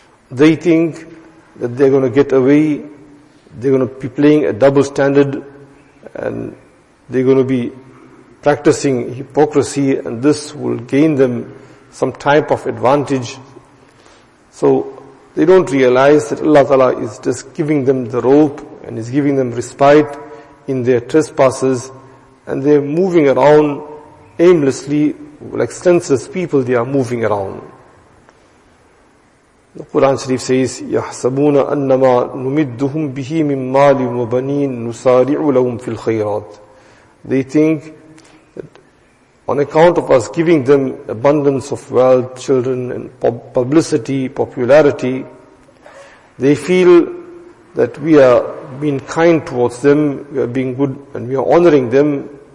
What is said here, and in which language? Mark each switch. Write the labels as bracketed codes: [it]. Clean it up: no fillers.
[en] They think that they're going to get away. They're going to be playing a double standard, and they're going to be practicing hypocrisy, and this will gain them some type of advantage. So they don't realize that Allah Ta'ala is just giving them the rope and is giving them respite in their trespasses, and they're moving around aimlessly like senseless people. They are moving around. The Quran Sharif says, [ar] يَحْسَبُونَ أَنَّمَا نُمِدُّهُمْ بِهِ مِنْ مَالٍ وَبَنِينَ نُسَارِعُ لَهُمْ فِي الْخَيْرَاتِ. [en] They think that on account of us giving them abundance of wealth, children, and publicity, popularity, they feel that we are being kind towards them, we are being good, and we are honoring them.